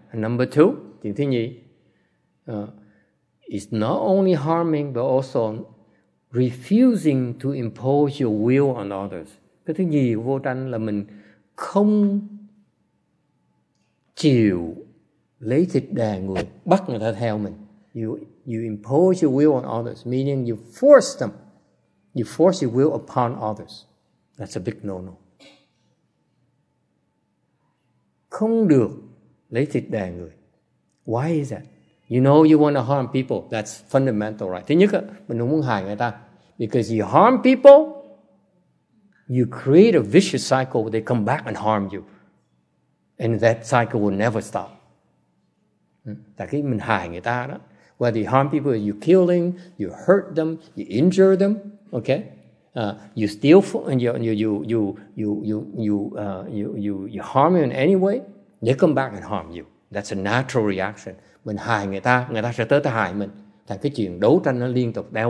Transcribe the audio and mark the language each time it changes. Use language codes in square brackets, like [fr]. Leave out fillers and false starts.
[en] And number two, [vi] chuyện thứ nhì, [en] is not only harming but also refusing to impose your will on others. [vi] Cái thứ nhì vô tranh là mình không chịu lấy thịt đè người, bắt người ta theo mình. [en] You impose your will on others, meaning you force them. You force your will upon others. That's a big no-no. [vi] Không được lấy thịt đè người. [en] Why is that? You know you want to harm people. That's fundamental, right? [vi] Thứ nhất, mình không muốn hại người ta. [en] Because you harm people, you create a vicious cycle where they come back and harm you. And that cycle will never stop. [vi] Tại khi mình hại người ta đó, [en] whether you harm people, you killing, you hurt them, you injure them, okay? You steal and you harm them in any way. They come back and harm you. That's a natural reaction. [vi] Mình hại người ta sẽ tới ta hại mình. Thành cái chuyện đấu tranh nó liên tục.